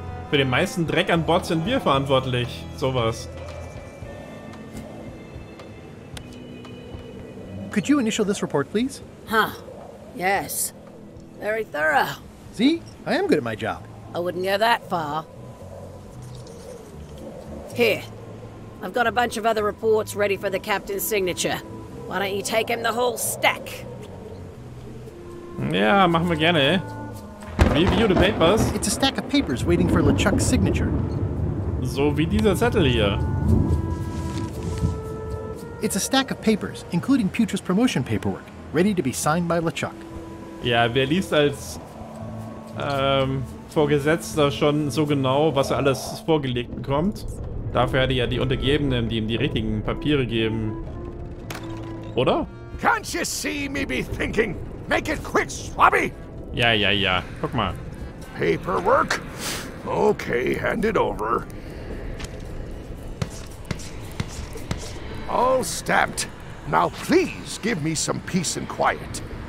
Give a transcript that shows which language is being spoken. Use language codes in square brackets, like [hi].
[de] Für den meisten Dreck an Bord sind wir verantwortlich. Sowas. [en] Could you initial this report, please? Huh. Yes. Very thorough. See? I am good at my job. I wouldn't go that far. Here. I've got a bunch of other reports ready for the captain's signature. Why don't you take him the whole stack? [de] Yeah, machen wir gerne. [en] Review the papers. It's a stack of papers waiting for LeChuck's signature. [de] So wie dieser Zettel hier. [en] It's a stack of papers, including Putra's promotion paperwork, ready to be signed by LeChuck. [de] Ja, wer liest als Vorgesetzter schon so genau, was er alles vorgelegt bekommt? Dafür hat er ja die Untergebenen, die ihm die richtigen Papiere geben. Oder? [en] Can't you see me be thinking? Make it quick, Swabby! [de] Ja, ja, ja. Guck mal. [en] Paperwork? Okay, hand it over. All stamped. Now please give me some peace and quiet.